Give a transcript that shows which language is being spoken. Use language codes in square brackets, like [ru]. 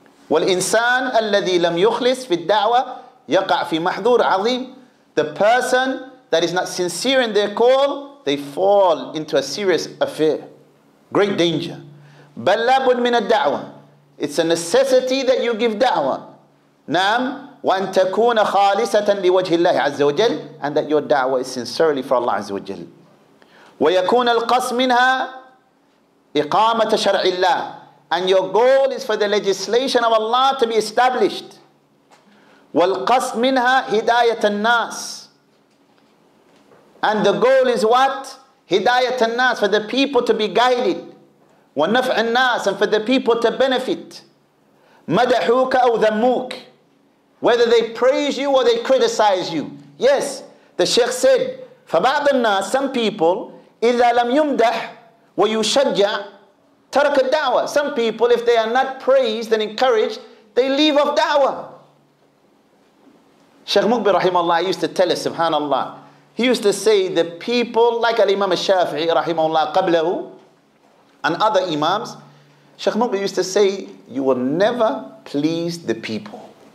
[ar] والإنسان الذي لم يخلص في الدعوة يقع في محذور عظيم. [en] The person that is not sincere in their call, they fall into a serious affair. Great danger. [ar] بل لابد من الدعوة. [en] It's a necessity that you give دعوة. [ar] نعم. وأن تكون خالصة لوجه الله عز وجل. [en] And that your دعوة is sincerely for Allah عز وجل. [ar] ويكون القصد منها إقامة شرع الله. [en] And your goal is for the legislation of Allah to be established. [ar] وَالْقَصْدْ مِنْهَا هِدَايَةَ النَّاسِ. [en] And the goal is what? [ar] هِدَايَةَ النَّاسِ, [en] for the people to be guided. [ar] وَالنَّفْعَ النَّاسِ, [en] and for the people to benefit. [ar] مَدَحُوكَ أَوْ ذَمُّوكَ. [en] Whether they praise you or they criticize you. Yes, the Sheikh said, [ar] فَبَعْضَ النَّاسِ, [en] some people, [ar] إِذَا لَمْ يُمْدَحْ وَيُشَجَّعْ ترك الدعوة. [en] Some people, if they are not praised and encouraged, they leave off da'wah. Sheikh Mukbir rahimahullah used to tell us, subhanallah, he used to say the people, like al-Imam al-Shafi'i rahimahullah qablahu, and other imams, Sheikh Mukbir used to say, you will never please the people.